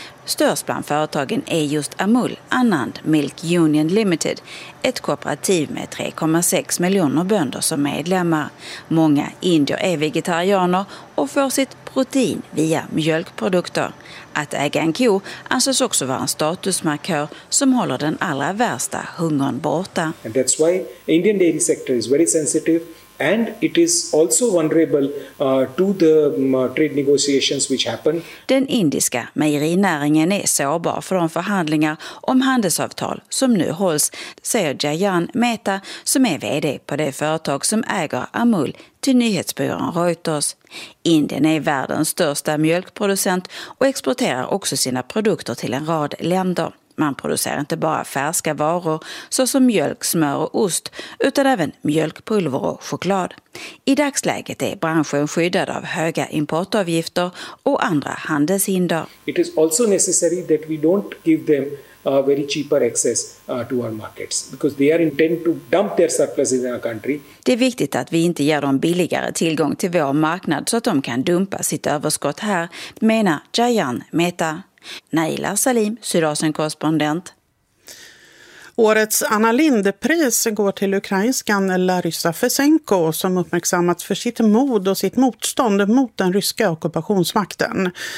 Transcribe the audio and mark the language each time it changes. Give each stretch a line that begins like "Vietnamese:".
Swedish: Störst bland företagen är just Amul Anand Milk Union Limited, ett kooperativ med 3,6 miljoner bönder som medlemmar. Många indier är vegetarianer och får sitt protein via mjölkprodukter. Att äga en ko anses också vara en statusmarkör som håller den allra värsta hungern borta.
English: And that's why Indian dairy sector is very sensitive and it is also vulnerable to the trade negotiations which happen.
Swedish: Den indiska mejerinäringen är sårbar för de förhandlingar om handelsavtal som nu hålls, säger Jayan Mehta som är vd på det företag som äger Amul till nyhetsbyrån Reuters. Indien är världens största mjölkproducent och exporterar också sina produkter till en rad länder. Man producerar inte bara färska varor såsom mjölk, smör och ost utan även mjölkpulver och choklad. I dagsläget är branschen skyddad av höga importavgifter och andra handelshinder.
English: It is also necessary that we don't give them very cheaper access to our markets because they are intent to dump their surpluses in our country.
Swedish: Det är viktigt att vi inte ger dem billigare tillgång till vår marknad så att de kan dumpa sitt överskott här, menar Jayan Mehta. Naila Salim, Sydasien-korrespondent. Årets Anna Lindh-pris går till ukrainskan Larisa Fesenko som uppmärksammats för sitt mod och sitt motstånd mot den ryska ockupationsmakten.